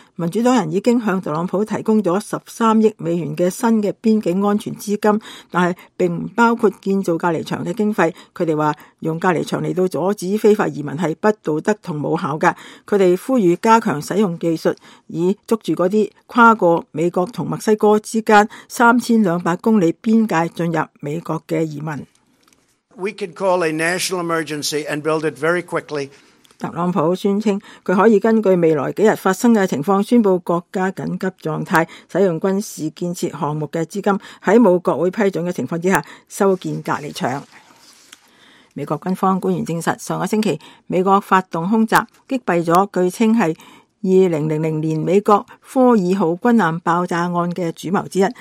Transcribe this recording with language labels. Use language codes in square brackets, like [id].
[zh] 民主党人已经向特朗普提供了13亿美元的新的边境安全资金，但是并不包括建造隔离墙的经费。他们说用隔离墙来阻止非法移民是不道德和无效的。他们呼吁加强使用技术，以捉住那些跨过美国和墨西哥之间3200公里边界进入美国的移民。 [en] We can call a national emergency and build it very quickly. [zh] 特朗普宣称他可以根据未来几日发生的情况宣布国家紧急状态，使用军事建设项目的资金在没有国会批准的情况之下修建隔离墙。美国军方官员证实，上个星期美国发动空袭，击毙了据称是2000年美国科尔号军舰爆炸案的主谋之一。